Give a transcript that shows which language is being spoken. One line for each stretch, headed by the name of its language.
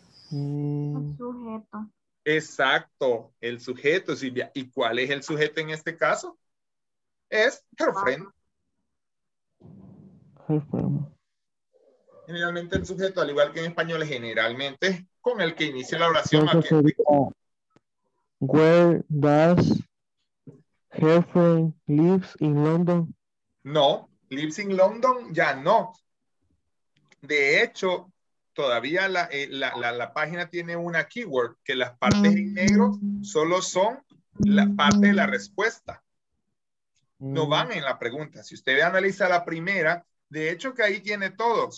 Spanish: El sujeto. Exacto, el sujeto, Silvia. ¿Y cuál es el sujeto en este caso? es
English: her friend. Her friend.
Spanish: Generalmente el sujeto, al igual que en español, generalmente con el que inicia la oración. Que... Sería,
English: where does her friend lives in London?
Spanish: No,
English: lives in London
Spanish: ya no. De hecho, todavía la página tiene una keyword, que las partes en negro solo son la parte de la respuesta. No van en la pregunta. Si usted analiza la primera, de hecho que ahí tiene todo.